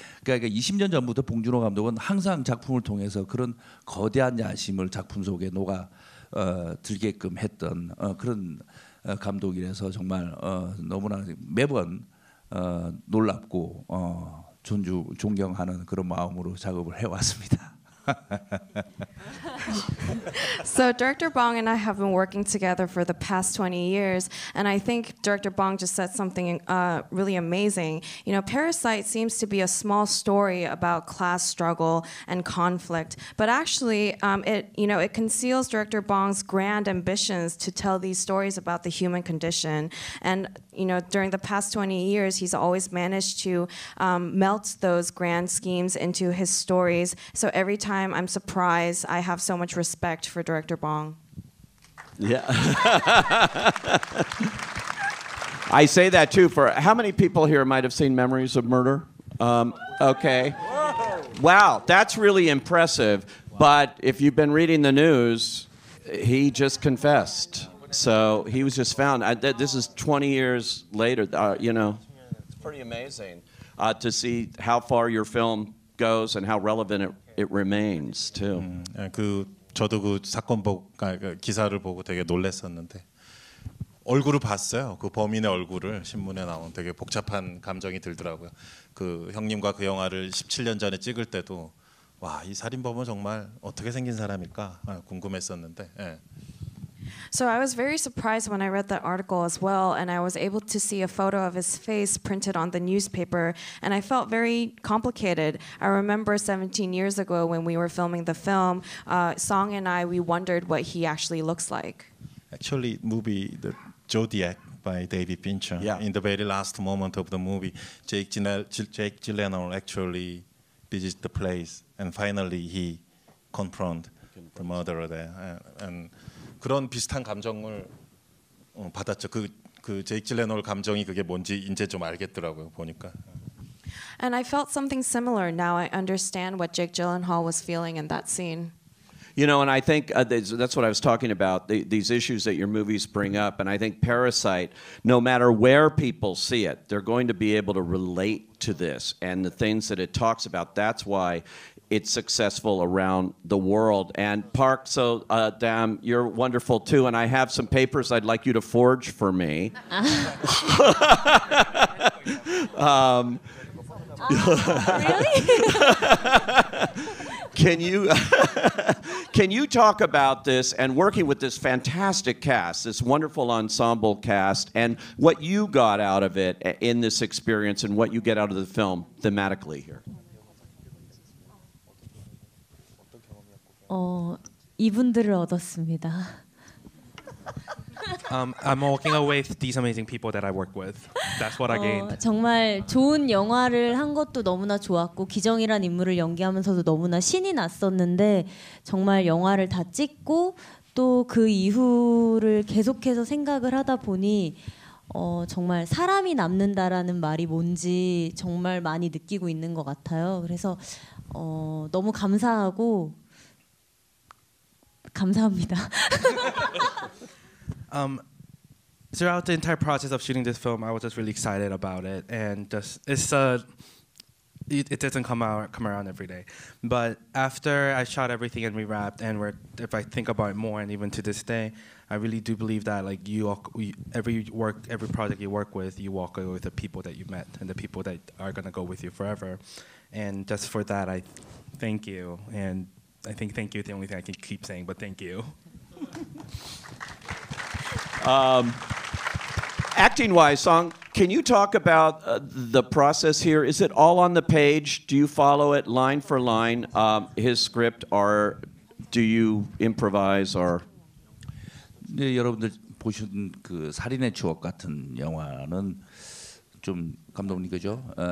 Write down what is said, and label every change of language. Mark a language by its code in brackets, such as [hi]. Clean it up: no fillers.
[ko] 그러니까 20년 전부터 봉준호 감독은 항상 작품을 통해서 그런 거대한 야심을 작품 속에 녹아 들게끔 했던 그런 감독이라서 정말 너무나 매번 놀랍고 존경하는 그런 마음으로 작업을 해왔습니다. [en] So Director Bong and I have been working together for the past 20 years, and I think Director Bong just said something really amazing. You know, Parasite seems to be a small story about class struggle and conflict, but actually it conceals Director Bong's grand ambitions to tell these stories about the human condition. And you know, during the past 20 years, he's always managed to melt those grand schemes into his stories. So every time I'm surprised, I have so much respect for Director Bong. Yeah. I say that too for how many people here might have seen Memories of Murder? Okay. Whoa. Wow, that's really impressive. Wow. But if you've been reading the news, he just confessed. So he was just found. This is 20 years later, you know. It's pretty amazing to see how far your film goes and how relevant it remains, too. [ko] 그 저도 그 사건 보고 기사를 보고 되게 놀랐었는데 얼굴을 봤어요. 그 범인의 얼굴을 신문에 나온 되게 복잡한 감정이 들더라고요. 그 형님과 그 영화를 17년 전에 찍을 때도 와, 이 살인범은 정말 어떻게 생긴 사람일까 궁금했었는데. 예. [en] So I was very surprised when I read that article as well, and I was able to see a photo of his face printed on the newspaper, and I felt very complicated. I remember 17 years ago when we were filming the film, Song and I, we wondered what he actually looks like. Actually, movie The Zodiac by David Fincher, yeah. In the very last moment of the movie, Jake Gyllenhaal actually visits the place, and finally he confronts the murderer there. And [ko] 그런 비슷한 감정을 받았죠. 그 제이크 질레놀 감정이 그게 뭔지 이제 좀 알겠더라고요. 보니까. [en] And I felt something similar. Now I understand what Jake Gyllenhaal was feeling in that scene. You know, and I think that's what I was talking about, these issues that your movies bring up. And I think Parasite, no matter where people see it, they're going to be able to relate to this. And the things that it talks about, that's why it's successful around the world. And Park So-dam, you're wonderful too. And I have some papers I'd like you to forge for me. really? Can you talk about this and working with this fantastic cast, this wonderful ensemble cast, and what you got out of it in this experience and what you get out of the film thematically here? [ko] 이분들을 얻었습니다. [en] I'm walking away with these amazing people that I work with. That's what I gained. [ko] 정말 좋은 영화를 한 것도 너무나 좋았고 기정이란 인물을 연기하면서도 너무나 신이 났었는데 정말 영화를 다 찍고 또 그 이후를 계속해서 생각을 하다 보니 정말 사람이 남는다라는 말이 뭔지 정말 많이 느끼고 있는 것 같아요. 그래서 너무 감사하고 감사합니다. [en] throughout the entire process of shooting this film, I was just really excited about it, and just it doesn't come around every day. But after I shot everything and rewrapped, and if I think about it more, and even to this day, I really do believe that like every project you work with, you walk away with the people that you met and the people that are gonna go with you forever. And just for that, I thank you. And I think thank you is the only thing I can keep saying, but thank you. Acting-wise, Song, can you talk about the process here? Is it all on the page? Do you follow it line for line, his script, or do you improvise? Or [ko] 네, 여러분들 보신 그 살인의 추억 같은 영화는 좀 감독님 그죠?